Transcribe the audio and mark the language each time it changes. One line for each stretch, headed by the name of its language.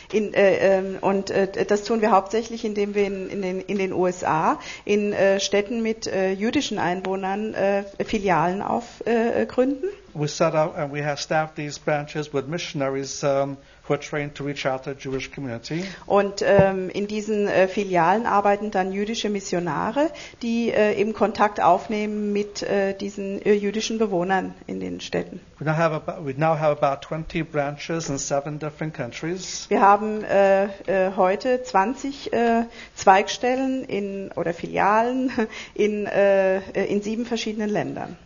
German: Das tun wir hauptsächlich, indem wir in den USA in Städten mit jüdischen Einwohnern Filialen aufgründen.
English: We set up and we have staffed these branches with missionaries who are trained to reach out to the Jewish community.
German: Und in diesen Filialen arbeiten dann jüdische Missionare, die eben Kontakt aufnehmen mit diesen jüdischen Bewohnern in den Städten.
English: We now have about 20 branches in 7 different countries.
German: Wir haben heute 20 Zweigstellen Filialen in 7 verschiedenen Ländern.